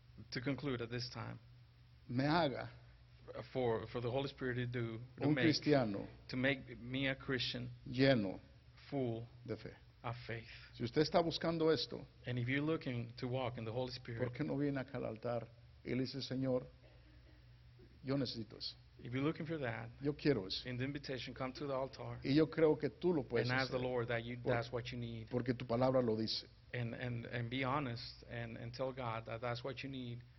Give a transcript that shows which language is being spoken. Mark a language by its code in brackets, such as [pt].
[en] to conclude at this time, [es] me haga [en] for the Holy Spirit to do [es] un [en] to make, [es] cristiano [en] to make me a Christian [es] lleno [en] full [es] de fe. [en] Of faith. [es] Si usted está buscando esto, [en] and if you're looking to walk in the Holy Spirit, [es] ¿por qué no viene acá al altar y dice, Señor, yo necesito eso? [en] If you're looking for that, [es] yo quiero eso. [en] In the invitation, come to the altar. [es] Y yo creo que tú lo puedes [en] and [es] hacer. [en] Ask the Lord that you, that's what you need. [es] Porque tu palabra lo dice. [en] And be honest and tell God that that's what you need.